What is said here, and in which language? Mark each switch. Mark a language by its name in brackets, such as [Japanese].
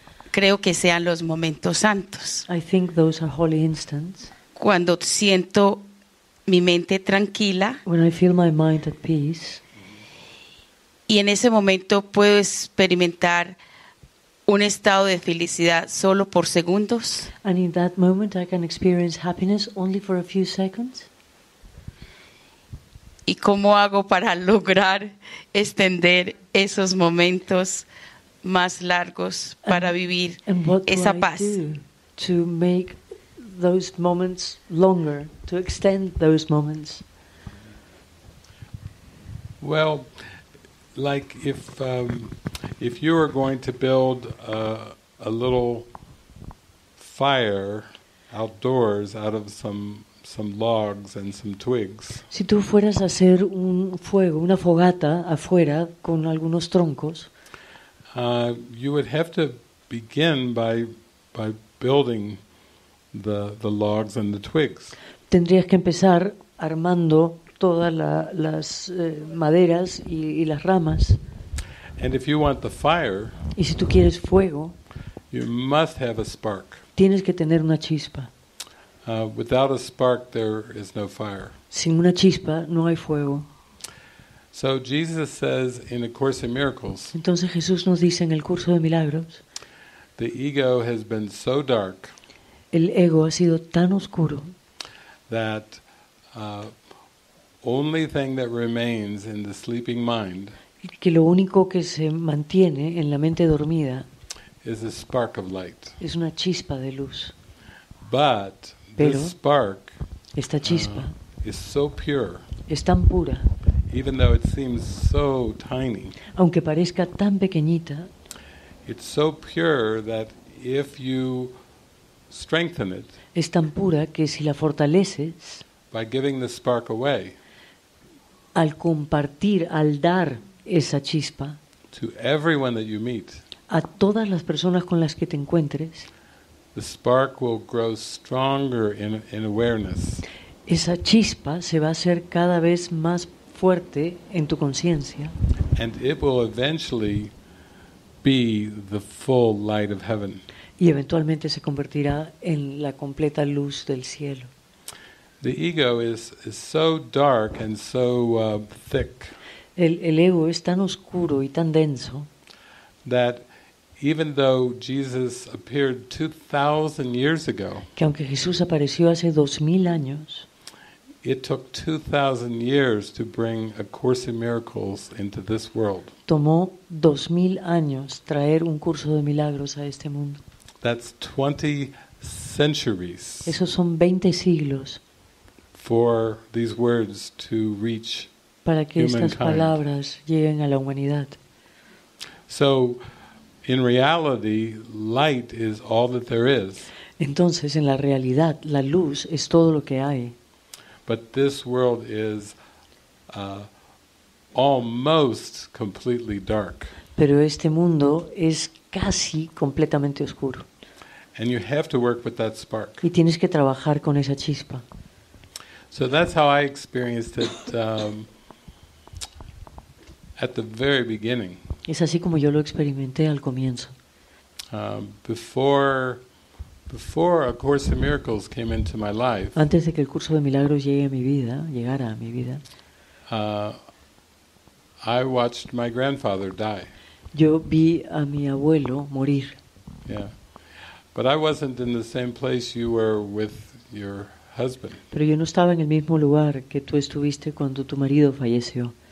[Spanish] Creo que sean los momentos santos. [English] I think those are holy instants. [Spanish] Cuando siento mi mente tranquila. [English] When I feel my mind at peace. [Spanish] Y en ese momento puedo experimentar un estado de felicidad solo por segundos. [English] And in that moment I can experience happiness only for a few seconds. [Spanish] ¿Y cómo hago para lograr extender esos momentos más largos para vivir esa paz? [English] To make those moments longer, to extend those moments. Well, like if you are going to build a little fire outdoors out of some logs and some twigs. [Spanish] Si tú fueras a hacer un fuego, una fogata afuera con algunos troncos. [English] You would have to begin by building the logs and the twigs. [Spanish] Tendrías que empezar armando todas las maderas y las ramas. [English] And if you want the fire, [Spanish] y si tú quieres fuego, [English] you must have a spark. [Spanish] Tienes que tener una chispa. [English] Without a spark, there is no fire. [Spanish] Sin una chispa, no hay fuego. [English] So Jesus says in A Course in Miracles. [Spanish] Entonces Jesús nos dice en el curso de milagros. [English] The ego has been so dark. [Spanish] El ego ha sido tan oscuro. [English] That only thing that remains in the sleeping mind. [Spanish] Que lo único que se mantiene en la mente dormida. [English] Is a spark of light. [Spanish] Es una chispa de luz. [English] But this spark. [Spanish] Esta chispa. [English] Is so pure. [Spanish] Es tan pura. [English] Even though it seems so tiny, [Spanish] aunque parezca tan pequeñita, [English] it's so pure that if you strengthen it, [Spanish] es tan pura que si la fortaleces, [English] by giving the spark away, [Spanish] al compartir, al dar esa chispa, [English] to everyone that you meet, [Spanish] a todas las personas con las que te encuentres, [English] the spark will grow stronger in awareness. [Spanish] Esa chispa se va a hacer cada vez más fuerte en tu conciencia. [English] And it will eventually be the full light of heaven. [Spanish] Y eventualmente se convertirá en la completa luz del cielo. [English] The ego is so dark and so thick. [Spanish] El ego es tan oscuro y tan denso. [English] That even though Jesus appeared 2000 years ago. [Spanish] Que aunque Jesús apareció hace 2000 años. [English] It took 2,000 years to bring A Course in Miracles into this world. [Spanish] Tomó 2,000 años traer un curso de milagros a este mundo. [English] That's 20 centuries. [Spanish] Esos son 20 siglos. [English] For these words to reach humankind. [Spanish] Para que estas palabras lleguen a la humanidad. [English] So, in reality, light is all that there is. [Spanish] Entonces, en la realidad, la luz es todo lo que hay. [English] But this world is almost completely dark. [Spanish] Pero este mundo es casi completamente oscuro. [English] And you have to work with that spark. [Spanish] Y tienes que trabajar con esa chispa. [English] So that's how I experienced it at the very beginning. [Spanish] Es así como yo lo experimenté al comienzo. [English] Before A Course in Miracles came into my life. [Spanish] Antes de que el curso de milagros llegue a mi vida, llegara a mi vida. [English] I watched my grandfather die. [Spanish] Yo vi a mi abuelo morir. [English] Yeah. But I wasn't in the same place you were with your husband. [Spanish] Pero yo no estaba en el mismo lugar que tú estuviste cuando tu marido falleció.